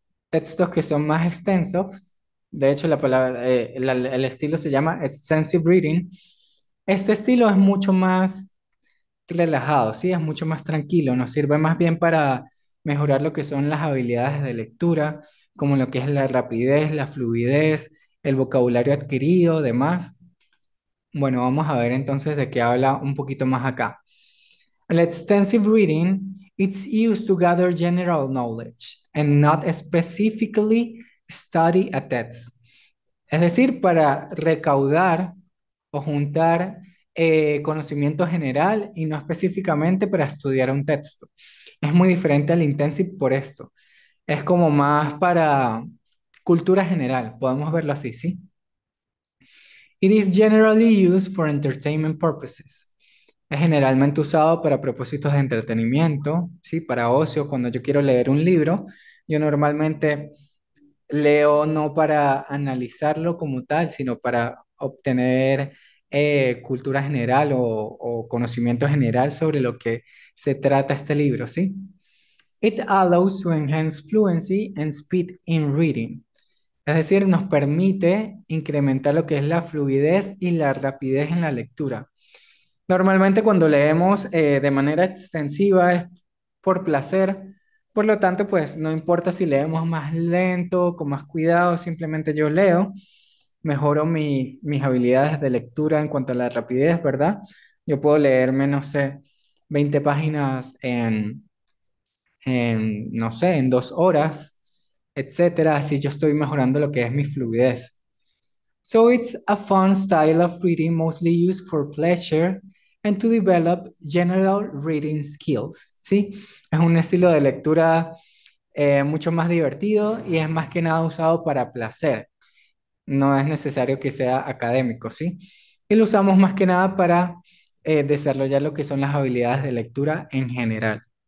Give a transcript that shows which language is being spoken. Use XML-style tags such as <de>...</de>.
<es>Textos que son más extensos, de hecho la palabra, el estilo se llama extensive reading, este estilo es mucho más relajado, ¿sí? Es mucho más tranquilo, nos sirve más bien para mejorar lo que son las habilidades de lectura, como lo que es la rapidez, la fluidez, el vocabulario adquirido, demás. Bueno, vamos a ver entonces de qué habla un poquito más acá. El</es> <en>extensive reading, it's used to gather general knowledge and not specifically study a text.</en> <es>Es decir, para recaudar o juntar conocimiento general y no específicamente para estudiar un texto. Es muy diferente al intensive por esto. Es como más para cultura general, podemos verlo así, ¿sí?</es> <en>It is generally used for entertainment purposes.</en> <es>Es generalmente usado para propósitos de entretenimiento, ¿sí? Para ocio, cuando yo quiero leer un libro, yo normalmente leo no para analizarlo como tal, sino para obtener cultura general o conocimiento general sobre lo que se trata este libro, ¿sí?</es> <en>It allows to enhance fluency and speed in reading.</en> <es>Es decir, nos permite incrementar lo que es la fluidez y la rapidez en la lectura. Normalmente cuando leemos de manera extensiva es por placer, por lo tanto, pues no importa si leemos más lento, con más cuidado, simplemente yo leo, mejoro mis habilidades de lectura en cuanto a la rapidez, ¿verdad? Yo puedo leerme, no sé, 20 páginas en no sé, en 2 horas, etcétera, así yo estoy mejorando lo que es mi fluidez.</es> <en>So it's a fun style of reading mostly used for pleasure and to develop general reading skills, ¿sí?</en> <es>Es un estilo de lectura mucho más divertido y es más que nada usado para placer. No es necesario que sea académico, ¿sí? Y lo usamos más que nada para desarrollar lo que son las habilidades de lectura en general.</es>